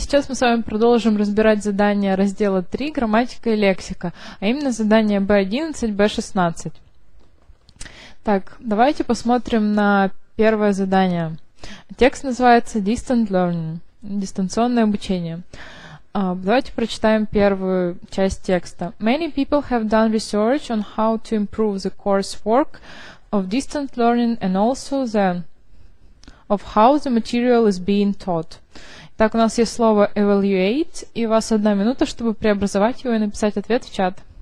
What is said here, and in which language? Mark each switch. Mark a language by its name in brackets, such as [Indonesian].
[Russian] Сейчас мы с вами продолжим разбирать задания раздела 3 «Грамматика и лексика», а именно задания B11, B16. Так, давайте посмотрим на первое задание. Текст называется [English] «Distant Learning» [Russian] – «Дистанционное обучение». Давайте прочитаем первую часть текста. [English] «Many people have done research on how to improve the coursework of distant learning and also the of how the material is being taught». [Russian] Итак, у нас есть слово evaluate, и у вас одна минута, чтобы преобразовать его и написать ответ в чат.